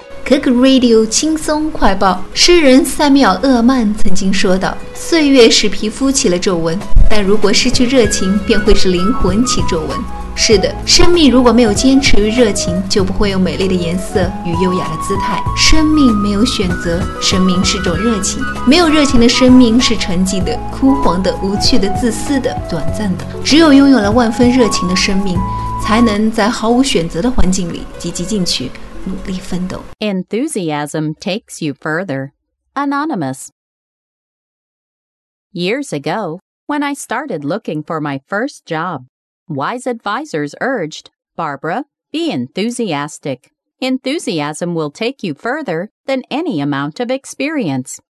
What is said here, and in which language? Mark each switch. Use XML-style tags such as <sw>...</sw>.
<zh>Kirk Radio 轻松快报。诗人塞缪尔·厄曼曾经说道，岁月使皮肤起了皱纹，但如果失去热情，便会使灵魂起皱纹。是的，生命如果没有坚持与热情，就不会有美丽的颜色与优雅的姿态。生命没有选择，生命是种热情。没有热情的生命是沉寂的、枯黄的、无趣的、自私的、短暂的。只有拥有了万分热情的生命，才能在毫无选择的环境里积极进取，努力奋斗。</zh> <en>Enthusiasm takes you further. Anonymous. Years ago, when I started looking for my first job,Wise advisors urged, Barbara, be enthusiastic. Enthusiasm will take you further than any amount of experience.</en>